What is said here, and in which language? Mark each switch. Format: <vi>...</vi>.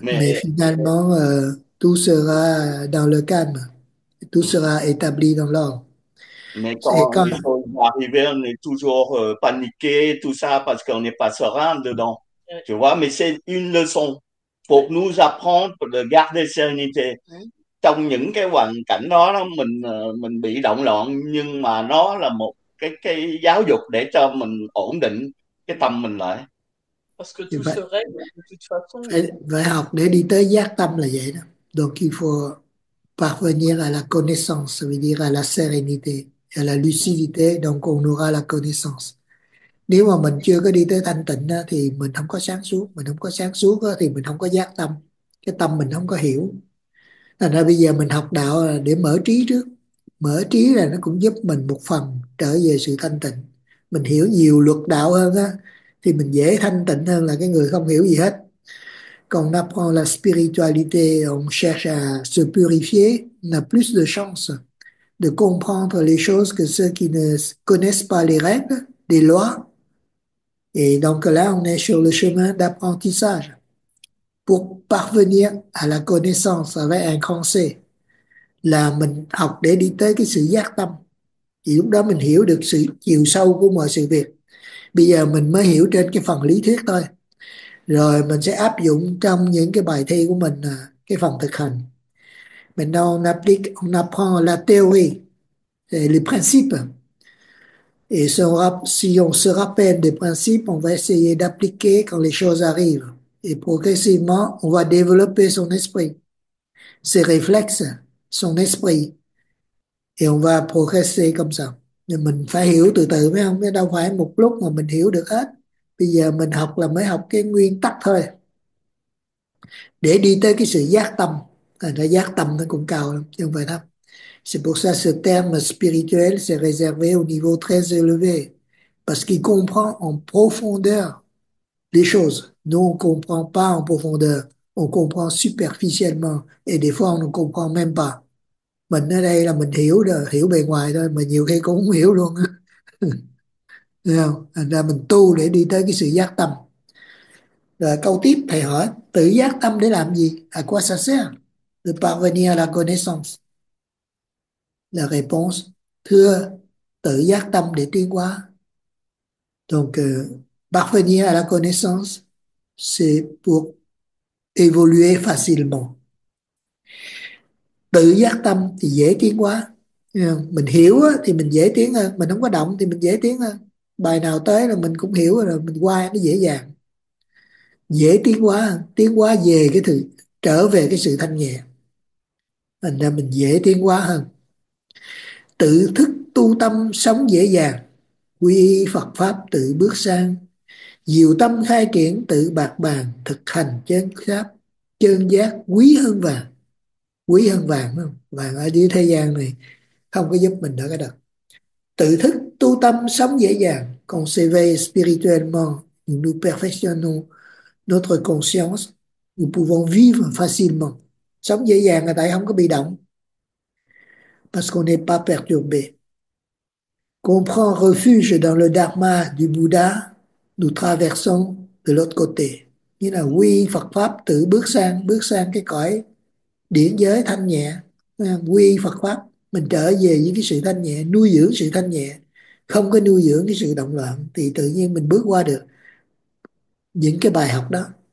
<fr>Mais finalement tout sera dans le calme, tout sera établi dans l'ordre. Mais Et quand il faut arriver, on est toujours paniqué, tout ça, parce qu'on n'est pas serein dedans. Tu vois, mais c'est une leçon pour nous apprendre de garder sérénité.</fr> <vi>Trong những cái hoàn cảnh đó, mình bị động loạn, nhưng mà nó là một cái giáo dục để cho mình ổn định cái tâm mình lại.</vi> <fr>Parce que tout se règle de toute façon.</fr> <vi>Phải học để đi tới giác tâm là vậy đó.</vi> <fr>Donc il faut parvenir à la connaissance, ça veut dire à la sérénité. à la lucidité, donc on aura la connaissance.</fr> <vi>Nếu mà mình chưa có đi tới thanh tịnh thì mình không có sáng suốt, mình không có sáng suốt thì mình không có giác tâm, cái tâm mình không có hiểu. Thành ra bây giờ mình học đạo là để mở trí trước, mở trí là nó cũng giúp mình một phần trở về sự thanh tịnh. Mình hiểu nhiều luật đạo hơn á thì mình dễ thanh tịnh hơn là cái người không hiểu gì hết. Còn</vi> <fr>d'apprendre la spiritualité, on cherche à se purifier, on a plus de chance de comprendre les choses que ceux qui ne connaissent pas les règles, les lois. Et donc là, on est sur le chemin d'apprentissage pour parvenir à la connaissance avec un grand C.</fr> <vi>Là mình học để đi tới cái sự giác tâm. Thì lúc đó mình hiểu được sự chiều sâu của mọi sự việc. Bây giờ mình mới hiểu trên cái phần lý thuyết thôi. Rồi mình sẽ áp dụng trong những cái bài thi của mình cái phần thực hành.</vi> <fr>Maintenant, on apprend la théorie, les principes. Et si on se rappelle des principes, on va essayer d'appliquer quand les choses arrivent. Et progressivement, on va développer son esprit, ses réflexes, son esprit. Et on va progresser comme ça.</fr> <vi>Nhưng mình phải hiểu từ từ, phải không? Đâu phải một lúc mà mình hiểu được hết. Bây giờ mình học là mới học cái nguyên tắc thôi. Để đi tới cái sự giác tâm. Là giác tâm nó cũng cao lắm, chứ không phải thấp.</vi> <fr>C'est pour ça ce terme spirituel s'est réservé au niveau très élevé. Parce qu'il comprend en profondeur les choses. Nous, on ne comprend pas en profondeur. On comprend superficiellement. Et des fois, on ne comprend même pas.</fr> <vi>Mình ở đây là mình hiểu rồi, hiểu bề ngoài thôi, mà nhiều khi cũng không hiểu luôn á. Thấy không? Thành ra mình tu để đi tới cái sự giác tâm. Rồi câu tiếp thầy hỏi, tự giác tâm để làm gì?</vi> <fr>À quoi ça sert? De parvenir à la connaissance. La réponse,</fr> <vi>thưa, tự giác tâm để tiến hóa.</vi> <fr>Donc, parvenir à la connaissance, c'est pour évoluer facilement.</fr> <vi>Tự giác tâm thì dễ tiến quá, mình hiểu thì mình dễ tiến hơn, mình không có động thì mình dễ tiến hơn, bài nào tới là mình cũng hiểu rồi, mình qua nó dễ dàng, dễ tiến quá về cái thứ, trở về cái sự thanh nhẹ, thành ra mình dễ tiến quá hơn. Tự thức tu tâm sống dễ dàng, quy Phật pháp tự bước sang, diệu tâm khai triển tự bạt bàn, thực hành chân pháp chân giác quý hơn vàng. Quý hơn vàng, đúng không? Vàng ở dưới thế gian này không có giúp mình đỡ cái đợt. Tự thức tu tâm sống dễ dàng,</vi> <fr>qu'on s'éveille spirituellement, nous perfectionnons notre conscience, nous pouvons vivre facilement.</fr> <vi>Sống dễ dàng là tại không có bị động.</vi> <fr>Parce qu'on n'est pas perturbé. Qu'on prend refuge dans le dharma du Bouddha, nous traversons de l'autre côté.</fr> <vi>Nghĩa là quy Phật pháp tự bước sang cái cõi điển giới thanh nhẹ, quy Phật pháp, mình trở về với cái sự thanh nhẹ, nuôi dưỡng sự thanh nhẹ, không có nuôi dưỡng cái sự động loạn thì tự nhiên mình bước qua được những cái bài học đó.</vi>